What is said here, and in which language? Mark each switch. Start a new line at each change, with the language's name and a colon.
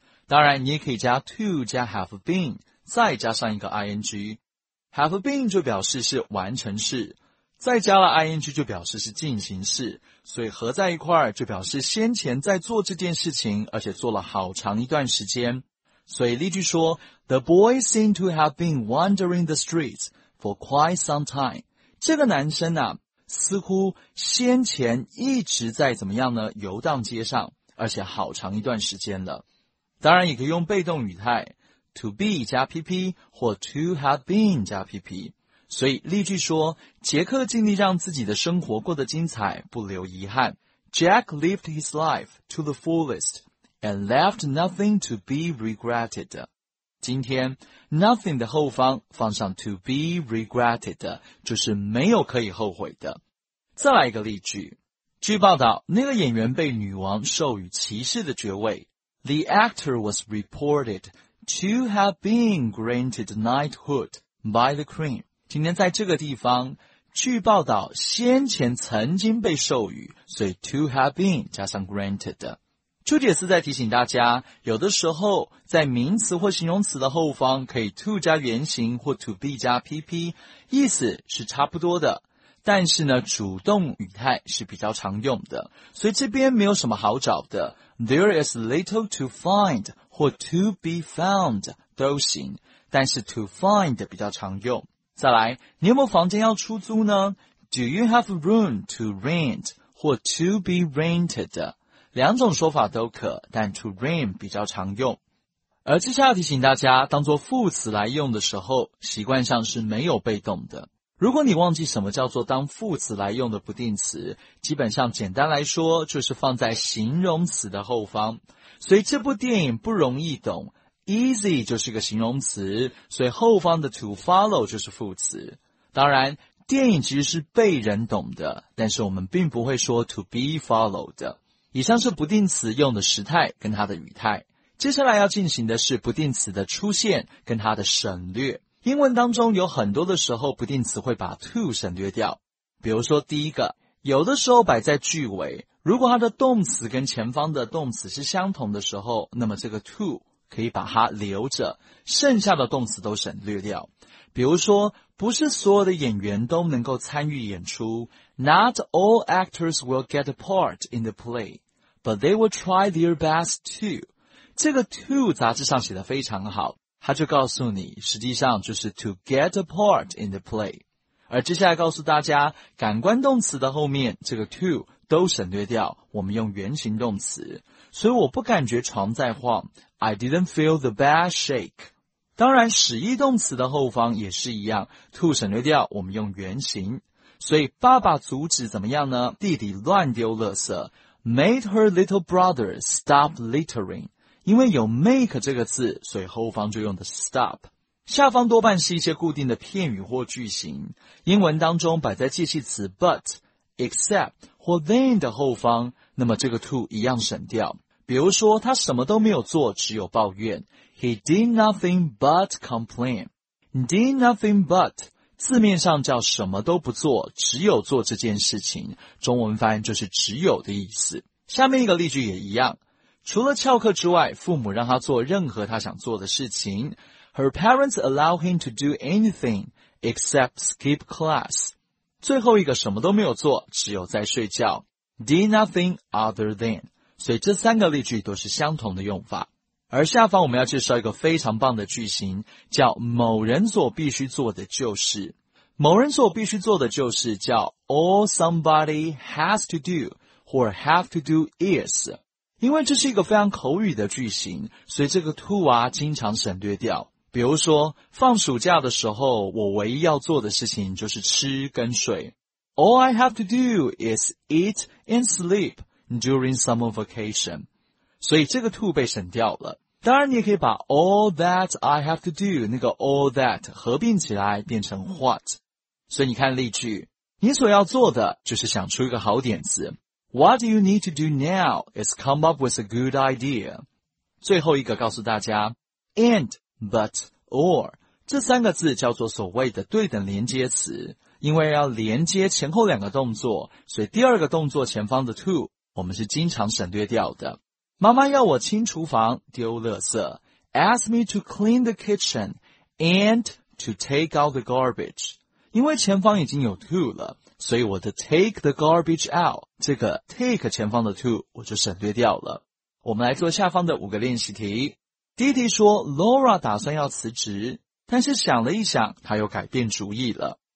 Chinese: 当然你也可以加 to 加 have been 再加上一个 ing， have been 就表示是完成式，再加了 ing 就表示是进行式，所以合在一块儿就表示先前在做这件事情而且做了好长一段时间。所以例句说，
English: The boy seemed to have been wandering the streets for quite some time。
Chinese: 这个男生啊似乎先前一直在怎么样呢，游荡街上而且好长一段时间了。当然也可以用被动语态 to be 加 PP 或 to have been 加 PP。所以例句说，杰克尽力让自己的生活过得精彩不留遗憾，
English: Jack lived his life to the fullest and left nothing to be regretted。
Chinese: 今天 nothing 的后方放上 to be regretted 就是没有可以后悔的。再来一个例句，据报道那个演员被女王授予骑士的爵位，
English: The actor was reported to have been granted knighthood by the queen。
Chinese: 今天在这个地方据报道先前曾经被授予，所以 to have been 加上 granted。注解四在提醒大家，有的时候在名词或形容词的后方可以 to 加原形或 to be 加 PP， 意思是差不多的，但是呢主动语态是比较常用的，所以这边没有什么好找的，
English: There is little to find
Chinese: 或 to be found 都行，但是 to find 比较常用。再来，你有没有房间要出租呢？
English: Do you have a room to rent 或 to be rented？
Chinese: 两种说法都可，但 to rent 比较常用。而接下来提醒大家，当作副词来用的时候习惯上是没有被动的。如果你忘记什么叫做当副词来用的不定词，基本上简单来说就是放在形容词的后方，所以这部电影不容易懂， easy 就是个形容词，所以后方的 to follow 就是副词。当然电影其实是被人懂的，但是我们并不会说 to be followed 的。以上是不定词用的时态跟它的语态，接下来要进行的是不定词的出现跟它的省略。英文当中有很多的时候不定词会把 to 省略掉，比如说第一个，有的时候摆在句尾，如果它的动词跟前方的动词是相同的时候，那么这个 to 可以把它留着，剩下的动词都省略掉。比如说，不是所有的演员都能够参与演出，
English: Not all actors will get a part in the play, but they will try their best to.
Chinese: 这个 to 杂志上写得非常好，它就告诉你实际上就是 to get a part in the play。而接下来告诉大家，感官动词的后面这个 to 都省略掉，我们用原形动词。所以我不感觉床在晃，
English: I didn't feel the bed shake。
Chinese: 当然使役动词的后方也是一样， to 省略掉，我们用原形。所以爸爸阻止怎么样呢？弟弟乱丢垃圾，
English: made her little brother stop littering。
Chinese: 因为有 make 这个字，所以后方就用的 stop。下方多半是一些固定的片语或句型，英文当中摆在介系词 but、except 或 then 的后方，那么这个 to 一样省掉。比如说他什么都没有做，只有抱怨，
English: He did nothing but complain. Did nothing but
Chinese: 字面上叫什么都不做，只有做这件事情，中文翻就是只有的意思。下面一个例句也一样，除了翘课之外，父母让他做任何他想做的事情，
English: Her parents allow him to do anything except skip class.
Chinese: 最后一个什么都没有做，只有在睡觉，
English: did nothing other than.
Chinese: 所以这三个例句都是相同的用法。而下方我们要介绍一个非常棒的句型，叫某人所必须做的就是。某人所必须做的就是叫
English: all somebody has to do or have to do is。
Chinese: 因为这是一个非常口语的句型，所以这个 to 啊经常省略掉。比如说，放暑假的时候，我唯一要做的事情就是吃跟睡。
English: All I have to do is eat and sleep during summer vacation.
Chinese: 所以这个 to 被省掉了。当然你也可以把
English: all that I have to do
Chinese: 那个 all that 合并起来变成 what。所以你看例句，你所要做的就是想出一个好点子。
English: What do you need to do now is come up with a good idea.
Chinese: 最后一个告诉大家， and, but, or 这三个字叫做所谓的对等连接词，因为要连接前后两个动作，所以第二个动作前方的 to 我们是经常省略掉的。妈妈要我清厨房丢垃圾，
English: ask me to clean the kitchen and to take out the garbage.
Chinese: 因为前方已经有 to 了，所以我的 take the garbage out 这个 take 前方的 to 我就省略掉了。我们来做下方的五个练习题。第一题说， Laura 打算要辞职，但是想了一想她又改变主意了。